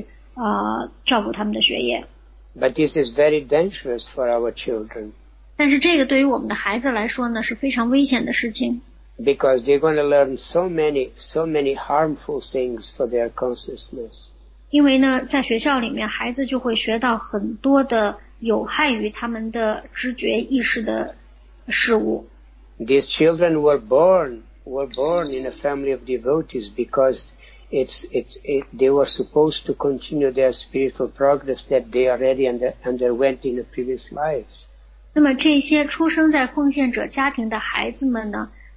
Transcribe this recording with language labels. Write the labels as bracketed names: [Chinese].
[Chinese] 那而且有的时候呢，是由于家长要上班的原因，导致了他们就没有办法去照顾孩子的学业，使得他们把孩子送到学校里面去，让学校去照顾他们的学业。 [English] But this is very dangerous for our children. [Chinese] 但是这个对于我们的孩子来说呢，是非常危险的事情。 [English] Because they're going to learn so many harmful things for their consciousness. [Chinese] 因为呢，在学校里面，孩子就会学到很多的有害于他们的知觉意识的事物。 [English] These children were born in a family of devotees because they were supposed to continue their spiritual progress that they already underwent in the previous lives. [Chinese] 那么这些出生在奉献者家庭的孩子们呢？